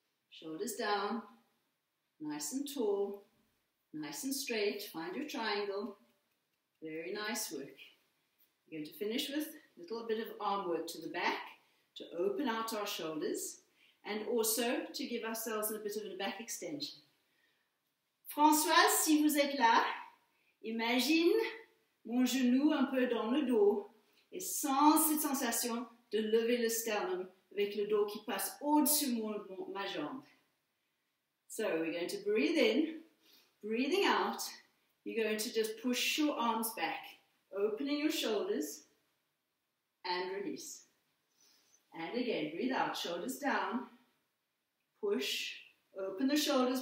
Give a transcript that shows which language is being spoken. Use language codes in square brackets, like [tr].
[en] Shoulders down, nice and tall, nice and straight. Find your triangle. Very nice work. You're going to finish with a little bit of arm work to the back to open out our shoulders and also to give ourselves a bit of a back extension. [fr] Françoise, si vous êtes là, imagine mon genou un peu dans le dos et sans cette sensation de lever le sternum avec le dos qui passe au-dessus ma jambe. [en] So we're going to breathe in, breathing out. You're going to just push your arms back, opening your shoulders, and release. And again, breathe out, shoulders down. Push, open the shoulders.